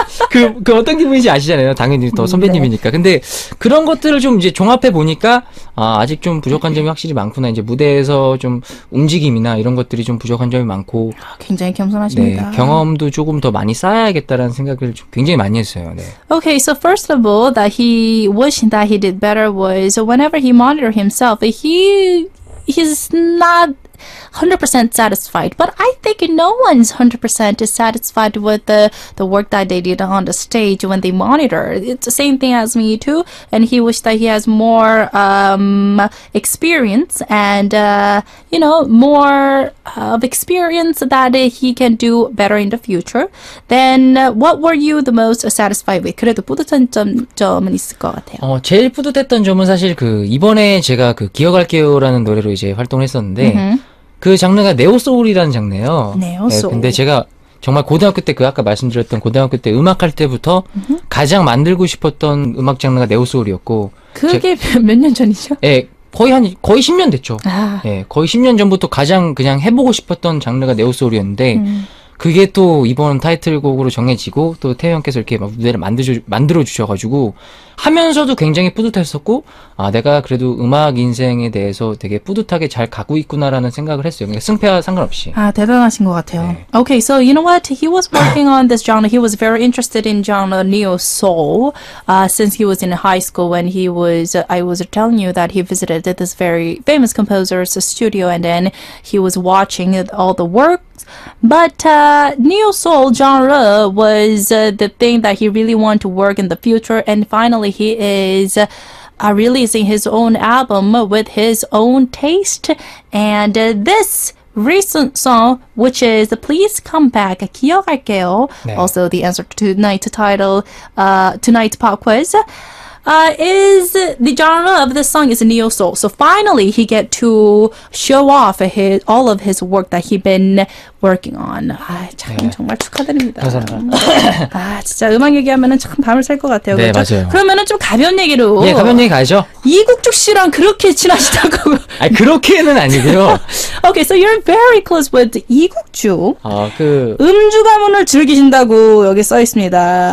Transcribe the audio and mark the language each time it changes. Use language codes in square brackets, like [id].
[ko] 그 어떤 기분인지 아시잖아요. 당연히 더 선배님이니까. 네. 근데 그런 것들을 좀 이제 종합해 보니까 아직 좀 부족한 점이 확실히 많구나. 이제 무대에서 좀 움직임이나 이런 것들이 좀 부족한 점이 많고. 굉장히 겸손하십니다. 네, 경험도 조금 더 많이 쌓아야겠다라는 생각을 좀 굉장히 많이 했어요. 네. [en] Okay, so first of all, that he wished that he did better was whenever he monitored himself, he's not 100% satisfied, but I think no one's 100% is satisfied with the work that they did on the stage when they monitor. It's the same thing as me too, and he wished that he has more experience and you know, more of experience that he can do better in the future. Then what were you the most satisfied with? [ko] 그래도 뿌듯한 점은 있을 것 같아요. 제일 뿌듯했던 점은 사실 그 이번에 제가 그 기억할게요라는 노래로 이제 활동했었는데. Mm-hmm. 그 장르가 네오소울이라는 장르예요. 네오소울. 네, 근데 제가 정말 고등학교 때 그 아까 말씀드렸던 고등학교 때 음악할 때부터 가장 만들고 싶었던 음악 장르가 네오소울이었고 그게 몇 년 전이죠? 예. 네, 거의 10년 됐죠. 아. 네, 거의 10년 전부터 가장 그냥 해보고 싶었던 장르가 네오소울이었는데 그게 또 이번 타이틀곡으로 정해지고 또 태연께서 이렇게 무대를 만들어 주셔가지고 하면서도 굉장히 뿌듯했었고 아 내가 그래도 음악 인생에 대해서 되게 뿌듯하게 잘 가고 있구나라는 생각을 했어요. 그러니까 승패와 상관없이. 아 대단하신 것 같아요. 네. [en] Okay, so you know what? He was working on this genre. He was very interested in genre neo soul since he was in high school when he was I was telling you that he visited this very famous composer's studio and then he was watching all the work. But neo soul genre was the thing that he really wanted to work in the future, and finally he is releasing his own album with his own taste. And this recent song, which is Please Come Back, 기억할게요, 네. Also the answer to tonight's title, tonight's pop quiz. Is the genre of this song is neo soul. So finally he get to show off all of his work that he been working on. [ko] 아, 작품 네. 정말 축하드립니다. 감사합니다. 아, 진짜 음악 얘기하면은 참 밤을 살 것 같아요. 네, 그렇죠? 맞아요. 그러면은 좀 가벼운 얘기로. 예, 가벼운 얘기 가죠. 이국주 씨랑 그렇게 친하시다고. 아, 그렇게는 아니고요. [en] Okay, so you're very close with 이국주. [ko] 아, 그 음주 가문을 즐기신다고 여기 써 있습니다.